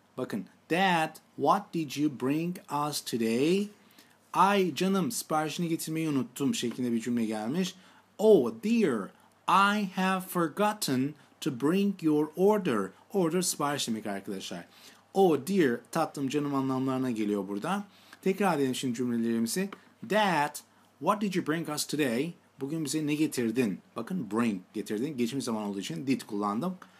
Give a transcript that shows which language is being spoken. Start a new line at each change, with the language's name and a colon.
Turkish: Bakın,
English: Dad, what did you bring us today?
Turkish: Ay, canım, siparişini getirmeyi unuttum şeklinde bir cümle gelmiş.
English: Oh, dear, I have forgotten to bring your order.
Turkish: Order, sipariş demek arkadaşlar.
English: Oh, dear,
Turkish: tatlım, canım anlamlarına geliyor burada. Tekrar edelim şimdi cümlelerimizi.
English: Dad, what did you bring us today?
Turkish: Bugün bize ne getirdin? Bakın, bring, getirdin. Geçmiş zaman olduğu için did kullandım.